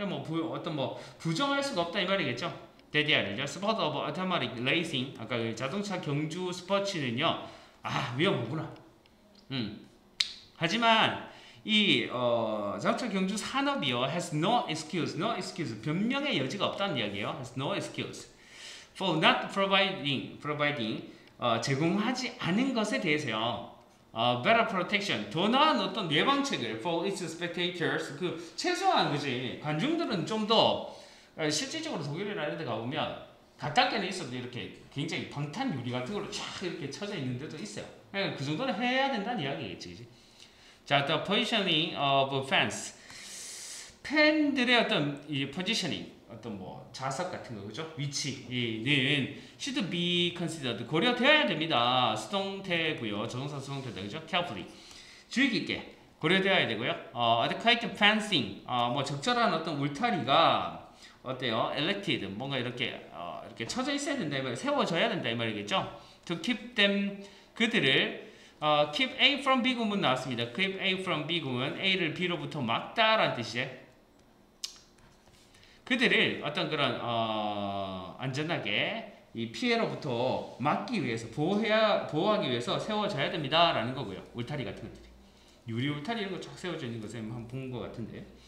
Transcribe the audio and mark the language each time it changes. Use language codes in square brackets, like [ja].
[ko] 뭐 어떤 뭐 부정할 수가 없다 이 말이겠죠. DDR이죠. [en] Sport of automatic racing, [ko] 아까 그 자동차 경주 스포츠는요, 아 위험하구나. 하지만 이 자동차 경주 산업이요 [en] has no excuse, no excuse, [ko] 변명의 여지가 없다는 이야기예요. [en] has no excuse for not providing [ko] 제공하지 않은 것에 대해서요. [en] Better protection, [ko] 더 나은 어떤 예방책을 [en] for its spectators, [ko] 그 최소한 그지 관중들은 좀 더 실질적으로 독일이나 이런 데 가보면 가깝게는 있어도 이렇게 굉장히 방탄 유리 같은 걸로 쫙 이렇게 쳐져 있는 데도 있어요. 그 정도는 해야 된다는 이야기겠지, 그지? [en] 자, the positioning of fans. [ko] 팬들의 어떤 이 positioning, 어떤 뭐 좌석 같은 거, 그죠? [en] 위치는 should be considered, [ko] 고려되어야 됩니다. 수동태고요. 조동사 수동태다, 그죠? carefully, 주의 깊게 고려되어야 되고요. [en] adequate fencing, [ko] 뭐 적절한 어떤 울타리가 어때요? elected, 뭔가 이렇게 이렇게 쳐져 있어야 된다, 이 말, 세워져야 된다, 이 말이겠죠? [en] to keep them, [ko] 그들을 keep A from B 구문 나왔습니다. keep A from B 구문, A를 B로부터 막다 라는 뜻이죠. 그들을 어떤 그런 안전하게 이 피해로부터 막기 위해서 보호하기 위해서 세워져야 됩니다 라는 거고요. 울타리 같은 것들이 유리 울타리 이런 거 쫙 세워져 있는 것을 한번 본 것 같은데.